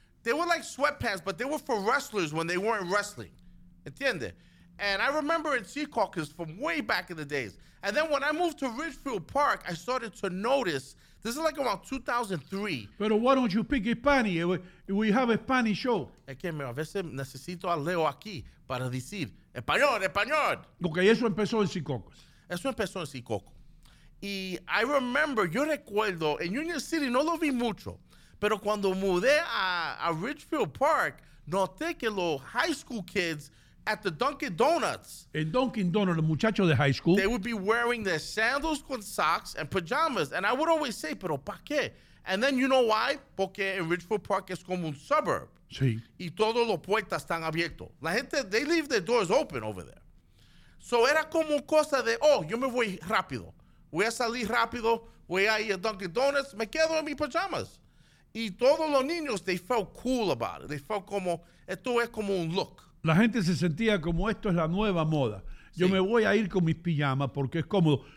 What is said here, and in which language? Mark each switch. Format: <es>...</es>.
<en>They were like sweatpants, but they were for wrestlers when they weren't wrestling.</en> <es>¿Entiende?</es> <en>And I remember in Seacockers from way back in the days. And then when I moved to Ridgefield Park, I started to notice, this is like around 2003. Pero why don't you pick Spanish? We have a Spanish show.</en> <es>Es que a veces necesito a Leo aquí para decir, español, español. Ok, eso empezó en Seacockers. Eso empezó en Seacockers. Y</es> <en>I remember,</en> <es>yo recuerdo, en Union City no lo vi mucho, pero cuando mudé a Ridgefield Park, noté que los</es> <en>high school kids at the Dunkin' Donuts.</en> <es>En Dunkin' Donuts, los muchachos de high school.</es> <en>They would be wearing their sandals con socks and pajamas. And I would always say,</en> <es>pero ¿pa' qué?</es> <en>And then you know why?</en> <es>Porque en Ridgefield Park es como un suburb. Sí. Y todos los puertas están abiertos. La gente,</es> <en>they leave their doors open over there.</en> <es>So era como cosa de, oh, yo me voy rápido. Voy a salir rápido, voy a ir a Dunkin' Donuts, me quedo en mis pajamas. Y todos los niños,</es> <en>they felt cool about it. They felt</en> <es>como, esto es como un look. La gente se sentía como, esto es la nueva moda. Yo sí. Me voy a ir con mis pijamas porque es cómodo.</es>